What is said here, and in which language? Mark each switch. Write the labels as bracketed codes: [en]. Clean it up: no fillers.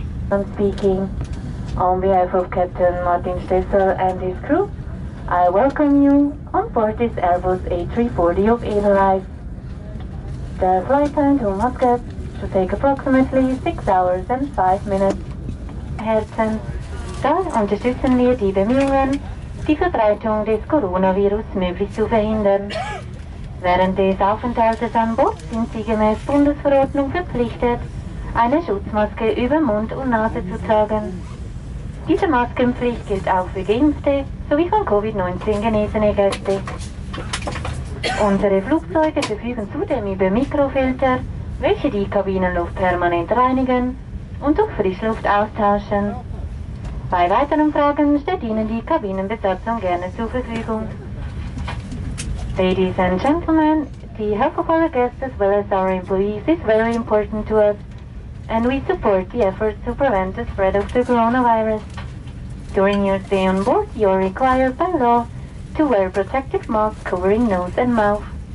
[en] I'm speaking on behalf of Captain Martin Stessel and his crew. I welcome you on board this Airbus A340 of Edelweiss. The flight time to Muscat should take approximately 6 hours and 5 minutes. [de] Herzen. Da unterstützen wir die Bemühungen, die Verbreitung des Coronavirus möglichst zu verhindern. Während des Aufenthaltes an Bord sind Sie gemäß Bundesverordnung verpflichtet, eine Schutzmaske über Mund und Nase zu tragen. Diese Maskenpflicht gilt auch für Geimpfte sowie von Covid-19 genesene Gäste. Unsere Flugzeuge verfügen zudem über Mikrofilter, welche die Kabinenluft permanent reinigen und durch Frischluft austauschen. Bei weiteren Fragen steht Ihnen die Kabinenbesatzung gerne zur Verfügung. [en] Ladies and gentlemen, the health of our guests as well as our employees is very important to us, and we support the efforts to prevent the spread of the coronavirus. During your stay on board, you are required by law to wear protective masks covering nose and mouth.